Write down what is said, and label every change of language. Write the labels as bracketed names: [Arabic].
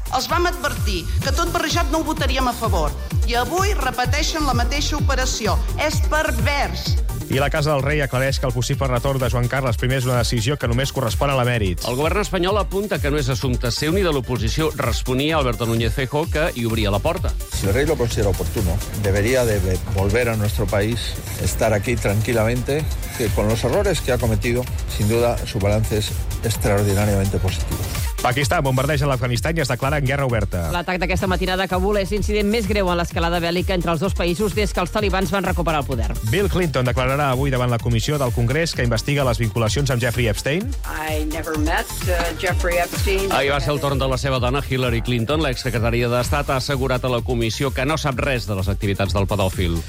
[Catalan] Els vam advertir que tot barrejat no ho votaríem a favor. I avui repeteixen la mateixa operació. És pervers. I la Casa del Rei aclareix que el possible retorn de Joan Carles I és una decisió que només correspon a l'emèrit. El govern espanyol apunta que no és assumpte seu ni de l'oposició. Responia Alberto Núñez Feijóo, que hi obria la porta. [Spanish] Si el rei lo considera oportuno, debería de volver a nuestro país, estar aquí tranquilamente, que con los errores que ha cometido, sin duda, su balance es extraordinariamente positivo. [Catalan] Pakistan bombardeja l'Afganistan i es declara en guerra oberta. L'atac d'aquesta matinada a Kabul és l'incident més greu en l'escalada bèl·lica entre els dos països des que els talibans van recuperar el poder. Bill Clinton declararà avui davant la comissió del Congrés que investiga les vinculacions amb Jeffrey Epstein. [English] I never met Jeffrey Epstein. [Catalan] Ahir va ser el torn de la seva dona, Hillary Clinton. L'exsecretària d'Estat ha assegurat a la comissió que no sap res de les activitats del pedòfil.